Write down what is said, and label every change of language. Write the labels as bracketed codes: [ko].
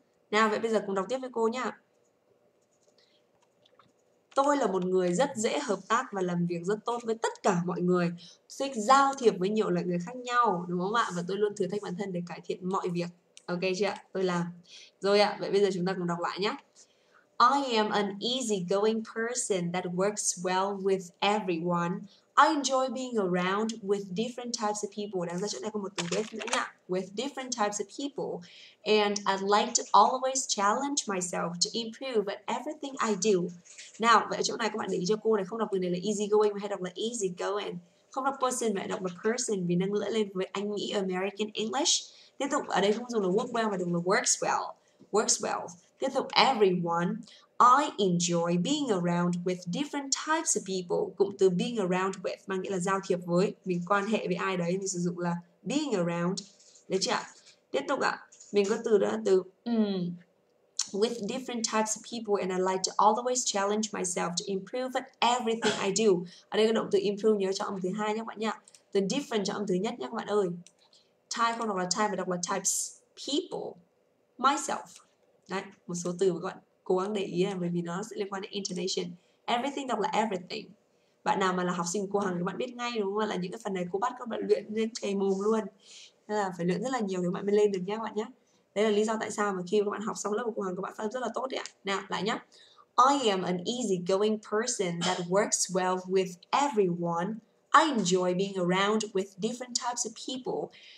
[vi] Nào, vậy bây giờ cùng đọc tiếp với cô nhá. Tôi là một người rất dễ hợp tác và làm việc rất tốt với tất cả mọi người. Thích giao thiệp với nhiều loại người khác nhau, đúng không ạ? Và tôi luôn thử thách bản thân để cải thiện mọi việc. Ok chưa? Tôi làm. Rồi ạ, vậy bây giờ chúng ta cùng đọc lại nhá. [en] I am an easygoing person that works well with everyone. I enjoy being around with different types of people. [vi] Đáng ra chỗ này có một từ with nữa nha. [en] With different types of people. And I like to always challenge myself to improve at everything I do. [vi] Now, vậy chỗ này các bạn để ý cho cô này. Không đọc từ này là easygoing mà hay đọc là easygoing. Không đọc person mà hay đọc là person vì nâng lưỡi lên với Anh, Mỹ, American, English. Tiếp tục ở đây không dùng là work well mà dùng là works well. [en] Works well. [vi] Tiếp tục [en] everyone. I enjoy being around with different types of people. [vi] Cụm từ [en] being around with [vi] mà nghĩa là giao thiệp với, mình quan hệ với ai đấy, mình sử dụng là [en] being around. [vi] Được chưa? Tiếp tục ạ. Mình có từ đó từ [en] with different types of people and I like to always challenge myself to improve at everything I do. [vi] Ở đây có động từ improve, nhớ cho âm thứ hai nhé các bạn nhá. Từ different cho âm thứ nhất nhé các bạn ơi. Type không đọc là type mà đọc là types people. Myself. Đấy, một số từ mà các bạn cố gắng để ý là bởi vì nó sẽ liên quan đến intonation. Everything đọc là everything. Bạn nào mà là học sinh của cô Hằng các bạn biết ngay đúng không? Là những cái phần này cô bắt các bạn luyện lên chảy mồm luôn. Nên là phải luyện rất là nhiều để các bạn mới lên được nhé các bạn nhé. Đây là lý do tại sao mà khi các bạn học xong lớp của cô Hằng các bạn phát âm rất là tốt đấy ạ. Nào, lại nhé. [en] I am an easygoing person that works well with everyone. I enjoy being around with different types of people.